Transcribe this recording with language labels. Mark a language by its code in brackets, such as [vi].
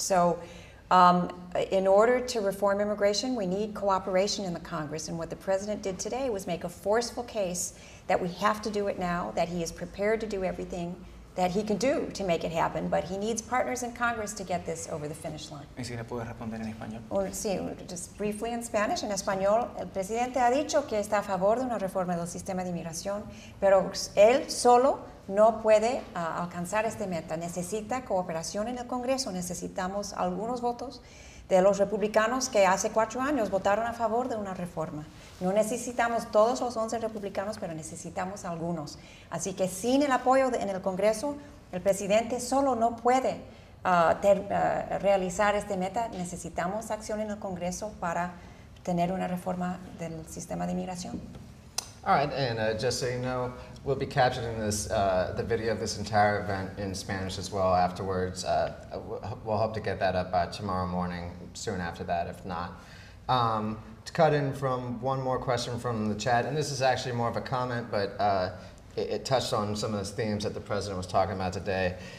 [en] So in order to reform immigration, we need cooperation in the Congress. And what the president did today was make a forceful case that we have to do it now, that he is prepared to do everything that he can do to make it happen, but he needs partners in Congress to get this over the finish line. [es] ¿Y si le puedo responder en español? [en] Sí, just briefly in Spanish. [es] En español, el presidente ha dicho que está a favor de una reforma del sistema de inmigración, pero él solo no puede alcanzar este meta. Necesita cooperación en el Congreso. Necesitamos algunos votos de los republicanos que hace 4 años votaron a favor de una reforma. No necesitamos todos los 11 republicanos, pero necesitamos algunos. Así que sin el apoyo en el Congreso, el presidente solo no puede realizar este meta. Necesitamos acción en el Congreso para tener una reforma del sistema de inmigración. [en] All right, and just so you know, we'll be capturing this the video of this entire event in Spanish as well afterwards. We'll hope to get that up by tomorrow morning, soon after that, if not. To cut in from one more question from the chat, and this is actually more of a comment, but it touched on some of the themes that the president was talking about today.